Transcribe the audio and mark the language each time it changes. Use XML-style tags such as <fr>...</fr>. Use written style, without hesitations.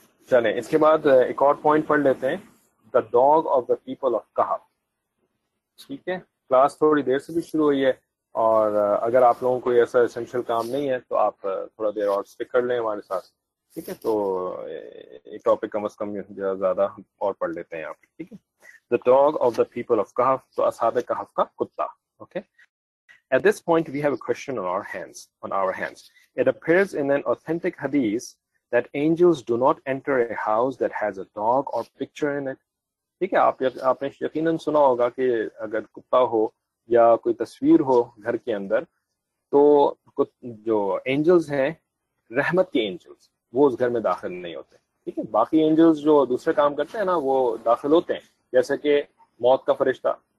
<ur>چلیں اس کے بعد ایک اور پوائنٹ پڑھ لیتے ہیں,</ur> <en>The dog of the people of Kahf.</en> <ur>ٹھیک ہے, کلاس تھوڑی دیر سے بھی شروع ہوئی ہے, اور اگر آپ لوگوں کو ایسا اسینشیل کام نہیں ہے تو آپ تھوڑا دیر اور اسٹک کر لیں ہمارے ساتھ. ٹھیک ہے, تو ایک ٹاپک کم از کم زیادہ اور پڑھ لیتے ہیں آپ. ٹھیک ہے,</ur> <en>the dog of the people of Kahf,</en> <ur>تو اصحاب کہف کا کتا.</ur> <en>Okay, at this point we have a question on our hands. It appears in an authentic hadith that angels do not enter a house that has a dog or picture in it.</en> <ur>ٹھیک ہے, آپ نے یقیناً سنا ہوگا کہ اگر کتا ہو یا کوئی تصویر ہو گھر کے اندر تو جو اینجلس ہیں رحمت کے اینجلس وہ اس گھر میں داخل نہیں ہوتے. ٹھیک ہے, باقی اینجلس جو دوسرے کام کرتے ہیں نا وہ داخل ہوتے ہیں, جیسے کہ موت کا فرشتہ.</ur>